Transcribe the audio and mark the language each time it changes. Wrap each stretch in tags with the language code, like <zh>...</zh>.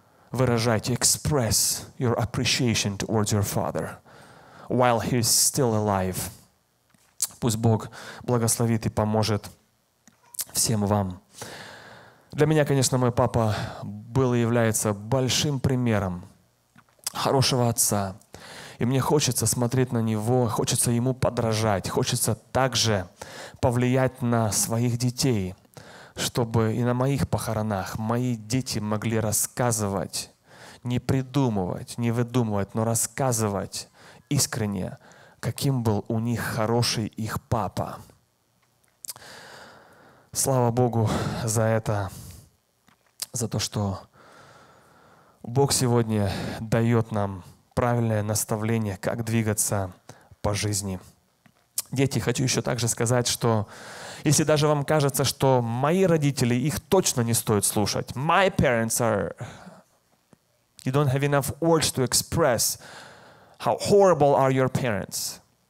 <ru>Выражайте,</ru> <en>express your appreciation towards your father while he is still alive.</en> <ru>Пусть Бог благословит и поможет всем вам. Для меня, конечно, мой папа был и является большим примером хорошего отца. И мне хочется смотреть на него, хочется ему подражать, хочется также повлиять на своих детей, чтобы и на моих похоронах мои дети могли рассказывать, не придумывать, не выдумывать, но рассказывать искренне, каким был у них хороший их папа. Слава Богу за это, за то, что Бог сегодня дает нам правильное наставление, как двигаться по жизни. Дети, хочу еще также сказать, что если даже вам кажется, что мои родители, их точно не стоит слушать.</ru> <en>My parents are... You don't have enough words to express how horrible are your parents.</en>